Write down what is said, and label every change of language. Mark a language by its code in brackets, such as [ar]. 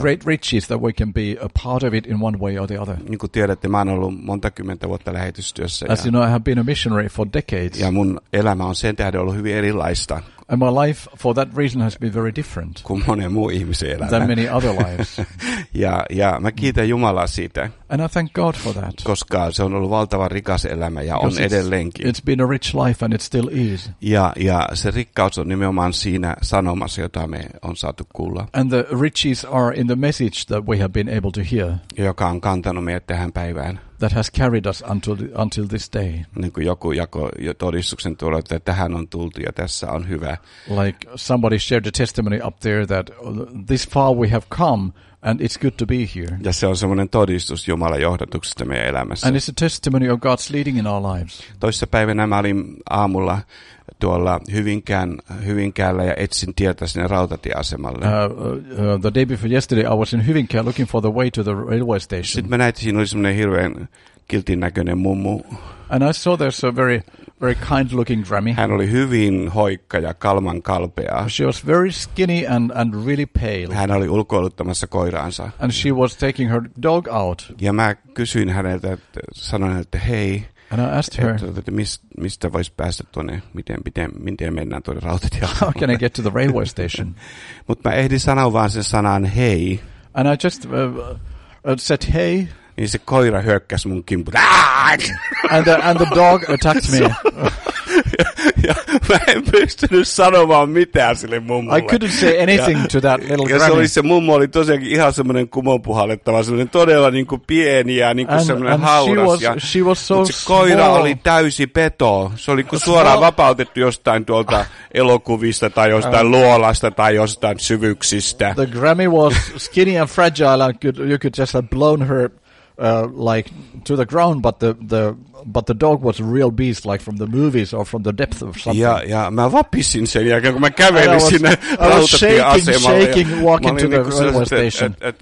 [en] Great riches that we can be a part of it in one way or the other. [fi] Niin kuin tiedätte, mä oon ollut monta kymmentä vuotta lähetystyössä. [en] As you know, I have been a missionary for decades. [fi] Ja mun elämä on sen tähden ollut hyvin erilaista. [en] And my life for that reason has been very different than many other lives. [fi] ja mä kiitän Jumalaa siitä. [en] And I thank God for that. [fi] Koska se on ollut valtavan rikas elämä ja on edelleenkin. [en] It's been a rich life and it still is. [fi] Ja se rikkaus on nimenomaan siinä sanomassa, jota me on saatu kuulla. [en] And the riches are in the message that we have been able to hear. [fi] Joka on kantanut meidät tähän päivään. [en] That has carried us until this day. [fi] Niin kuin joku jakoi jo todistuksen tuolla, että tähän on tultu ja tässä on hyvä. [en] Like somebody shared a testimony up there that this far we have come and it's good to be here. [fi] Ja se on semmoinen todistus Jumalan johdatuksesta meidän elämässä. [en] And it's a testimony of God's leading in our lives. [fi] Toissa päivänä mä olin aamulla tuolla Hyvinkäällä ja etsin tietä sinne rautatieasemalle. [en] The day before yesterday I was in Hyvinkää looking for the way to the railway station. [fi] Sitten mä näin, että siinä oli semmoinen hirveän kiltin näköinen mummu. [en] And I saw there's a very, very kind looking grammy. [fi] Hän oli hyvin hoikka ja kalman kalpea. [en] She was very skinny and really pale. [fi] Hän oli ulkoiluttamassa koiraansa. [en] And she was taking her dog out. [fi] Ja mä kysyin häneltä, sanoin häneltä, hei. [en] And I asked her, [fi] mistä voisi päästä tuonne, miten mennään tuonne rautatieasemalle. [en] How can I get to the railway station? [fi] Mutta mä ehdin sanoa vaan sen sanan hei. [en] And I just said hey. [fi] Niin se koira hyökkäsi mun kimpun. [en] And the dog attacked me. [fi] Mä en pystynyt sanomaan mitään sille mummulle. [en] I couldn't say anything to that little granny. [fi] Ja se mummo oli tosiaankin ihan semmoinen kumonpuhallettava, semmoinen todella niin kuin pieni ja niin kuin semmoinen hauras. [en] She was so [fi] mutta se koira oli täysi peto. Se oli kuin suoraan vapautettu jostain tuolta elokuvista tai jostain luolasta tai jostain syvyksistä. [en] The granny was skinny and fragile and you could just have blown her like to the ground, but the dog was a real beast, like from the movies or from the depth of something. Yeah, yeah. [fi] Mä vapisin sen jälkeen, kun mä kävelin sinne rautatieasemalle. [en] I was shaking, walking to the railway station.